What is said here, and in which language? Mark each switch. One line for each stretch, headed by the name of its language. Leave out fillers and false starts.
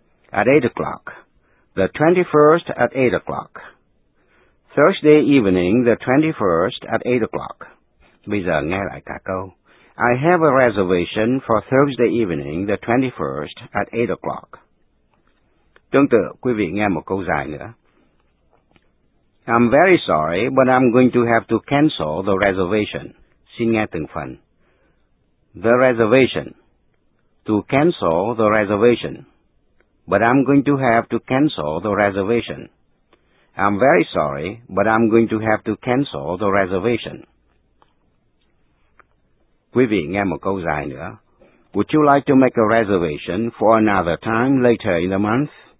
English: At 8 o'clock. The 21st at 8 o'clock. Thursday evening, the 21st at 8 o'clock.
Vietnamese: Bây giờ, nghe lại cả câu.
English: I have a reservation for Thursday evening, the 21st, at 8 o'clock.
Vietnamese: Tương tự, quý vị nghe một câu dài nữa.
English: I'm very sorry, but I'm going to have to cancel the reservation.
Vietnamese: Xin nghe từng phần.
English: The reservation. To cancel the reservation. But I'm going to have to cancel the reservation. I'm very sorry, but I'm going to have to cancel the reservation.
Vietnamese: Quý vị nghe một câu dài nữa.
English: Would you like to make a reservation for another time later in the month?